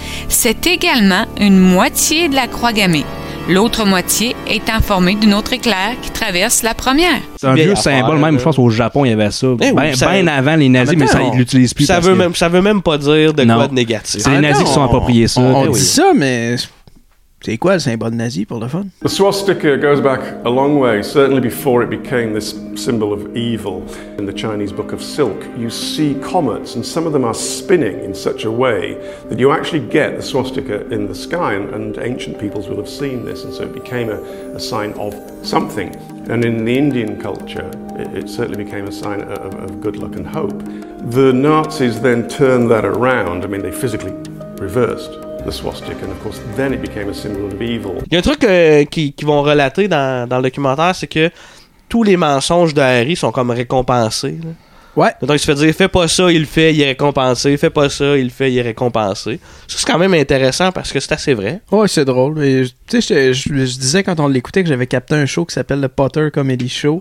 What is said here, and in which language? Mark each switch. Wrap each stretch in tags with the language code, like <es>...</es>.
<fr>C'est également une moitié de la croix gammée, l'autre moitié étant formée d'une autre éclair qui traverse la première. C'est un vieux symbole, même, je pense, au Japon, il y avait ça. Bien avant les nazis, mais ça, ils l'utilisent plus. Ça veut même pas dire de quoi de négatif. C'est les nazis qui se sont appropriés ça. On dit ça, mais c'est quoi le symbole nazi pour le fun?</fr> <en>The swastika goes back a long way, certainly before it became this symbol of evil. In the Chinese Book of Silk, you see comets, and some of them are spinning in such a way that you actually get the swastika in the sky, and ancient peoples will have seen this, and so it became a sign of something. And in the Indian culture, it certainly became a sign of good luck and hope. The Nazis then turned that around. I mean, they physically reversed the swastika, and of course, then it became a symbol of evil.</en> <fr>Il y a un truc qui vont relater dans le documentaire, c'est que tous les mensonges de Harry sont comme récompensés. Là. Ouais. Donc, il se fait dire, fais pas ça, il le fait, il est récompensé. Fais pas ça, il le fait, il est récompensé. Ça, c'est quand même intéressant parce que c'est assez vrai. Ouais, c'est drôle. Tu sais, je disais quand on l'écoutait que j'avais capté un show qui s'appelle le Potter Comedy Show.</fr>